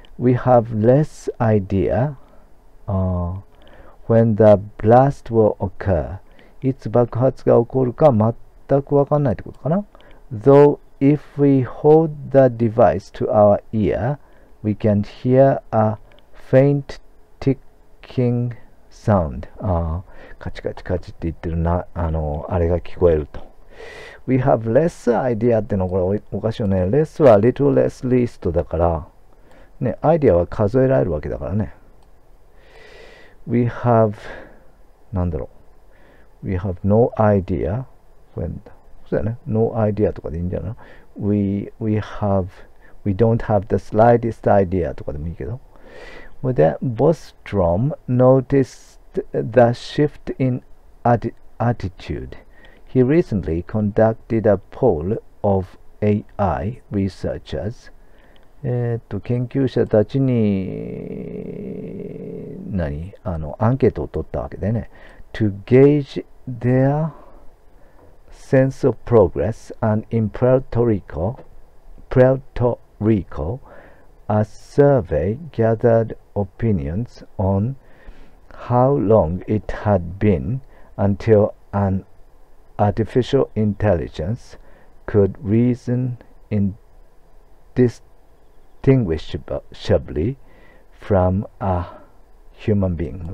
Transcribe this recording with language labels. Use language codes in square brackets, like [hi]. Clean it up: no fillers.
[en] We have less idea、when the blast will occur. [ja] いつ爆発が起こるか全くわかんないってことかな。 [en] Though if we hold the device to our ear, we can hear a faint ticking sound. [ja] カチカチカチって言ってるな、あれが聞こえると。 [en] We have less idea [ja] ってのはこれおかしいよね。Less は [en] little less least [ja] だから、ね、アイディアは数えられるわけだからね。 [en] We have, なんだろう。 We have no idea when, [ja] そうだよね。 [en] No idea [ja] とかでいいんじゃない [en] ?We don't have the slightest idea [ja] とかでもいいけど。 [en] Well, then, Bostrom noticed the shift in attitude. He recently conducted a poll of AI researchers. [ja] 研究者たちに何あのアンケートを取ったわけでね。 [en] To gauge their sense of progress and in Puerto Rico, a survey gathered opinions on how long it had been until anArtificial intelligence could reason indistinguishably from a human being.